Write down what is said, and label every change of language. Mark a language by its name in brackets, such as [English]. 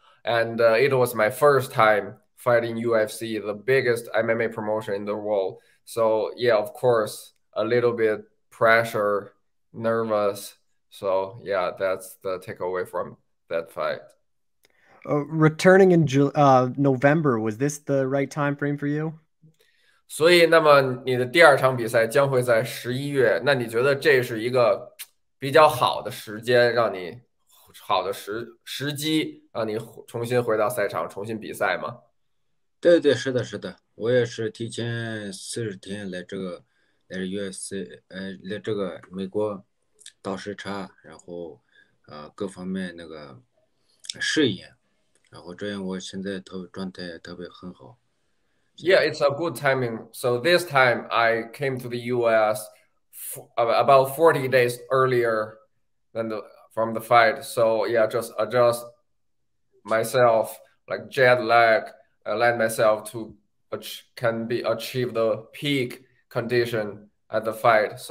[English] And it was my first time fighting UFC, the biggest MMA promotion in the world. So yeah, of course, a little bit pressure, nervous. So yeah, that's the takeaway from that fight. Returning in November, was this the right time frame for you? [Chinese] 所以，那么你的第二场比赛将会在11月。那你觉得这是一个比较好的时间，让你好的时机，让你重新回到赛场，重新比赛吗？对对，是的，是的，我也是提前40天来这个，来 UFC，来这个美国，倒时差，然后，各方面那个适应。然后这样，我现在状态特别很好，现 [English] Yeah, it's a good timing. So this time I came to the US about 40 days earlier than the from the fight. So yeah, just adjust myself, like jet lag, let myself to can be achieve the peak condition at the fight.